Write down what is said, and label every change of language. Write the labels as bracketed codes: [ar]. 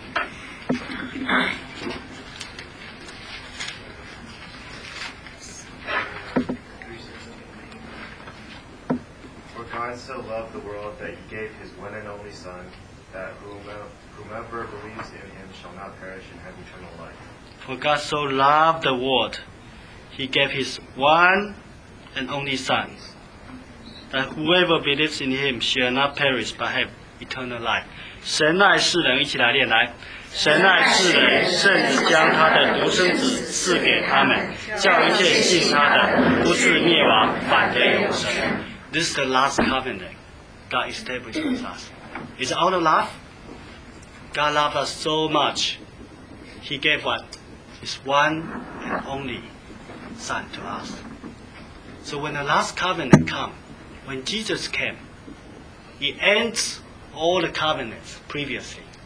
[en] For God so loved the world that he gave his one and only Son, that whomever believes in him shall not perish and have eternal life. For God so loved the world, he gave his one and only Son, that whoever believes in him shall not perish but have eternal life. [zh] 神爱世人，一起来念来。神爱世人，甚至将他的独生子赐给他们，叫一切信他的不至灭亡，反得永生。 [en] This is the last covenant God established with us. Is it out of love? God loved us so much. He gave what? His one and only Son to us. So when the last covenant comes, when Jesus came, he ends all the covenants previously.